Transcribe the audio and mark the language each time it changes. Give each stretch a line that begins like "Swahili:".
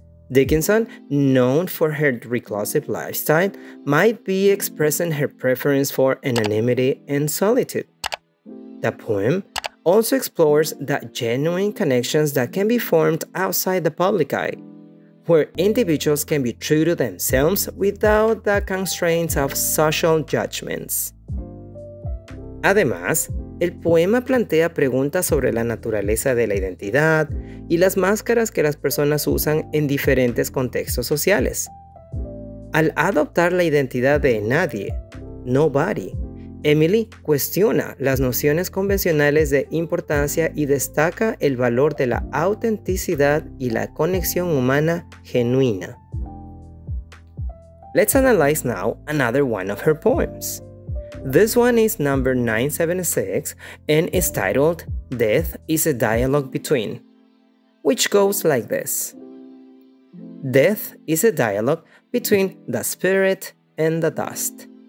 English: Dickinson, known for her reclusive lifestyle, might be expressing her preference for anonymity and solitude. The poem also explores the genuine connections that can be formed outside the public eye, where individuals can be true to themselves without the constraints of social judgments.
Spanish: Además, el poema plantea preguntas sobre la naturaleza de la identidad y las máscaras que las personas usan en diferentes contextos sociales. Al adoptar la identidad de nadie, nobody, Emily cuestiona las nociones convencionales de importancia y destaca el valor de la autenticidad y la conexión humana genuina.
English: Let's analyze now another one of her poems. This one is number 976 and is titled Death is a Dialogue Between, which goes like this. Death is a dialogue between the spirit and the dust.